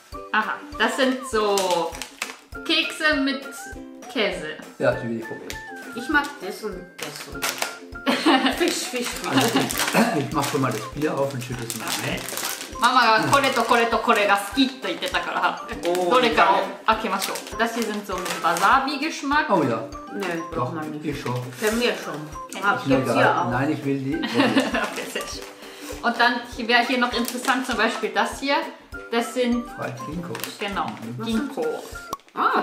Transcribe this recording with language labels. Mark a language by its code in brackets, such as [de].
[de] Aha, das sind so Kekse mit Käse. Ja, die will ich probieren. Ich mag das und das und das. Fisch. Also, ich mach schon mal das Bier auf und schüttel es mal. Okay. [ja] Mama がこれとこれとこれが好きと言ってたから、どれかを開けましょう。 [de] Das hier sind so mit Wasabi-Geschmack. Oh ja. Ne, doch noch nicht. Ich schon. Für mich schon. Gibt's hier auch. Nein, ich will die. Okay, sehr schön. Und dann wäre hier noch interessant, zum Beispiel das hier. Das sind... Freie Ginkgos. Genau, Ginkgo. Ah.